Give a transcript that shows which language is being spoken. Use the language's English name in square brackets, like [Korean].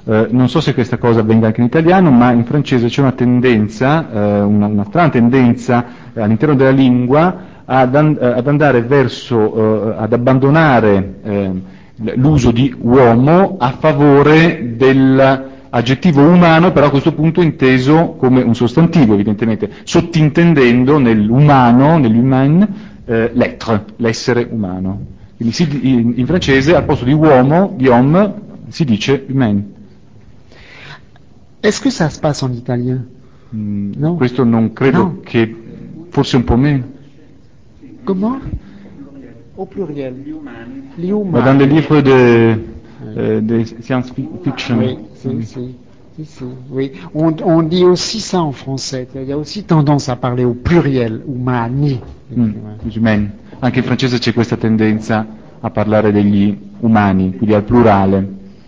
[Italian] Non so se questa cosa avvenga anche in italiano, ma in francese c'è una tendenza, una strana tendenza all'interno della lingua ad andare verso, ad abbandonare l'uso di uomo a favore dell'aggettivo umano, però a questo punto inteso come un sostantivo, evidentemente, sottintendendo nell'umano, nell'humain, l'être, l'essere umano. Quindi in francese al posto di uomo, di homme, si dice humain. [French] Est-ce que ça se passe en italien? [Italian] No? Questo non credo no. che, forse un po' meno. [French] Comment? Au pluriel. Les humains. Dans les livres de science fiction. Oui, oui. On dit aussi ça en français. Il y a aussi tendance à parler au pluriel, umani. Humains. [Italian] Anche in francese c'è questa tendenza a parlare degli umani, quindi al plurale.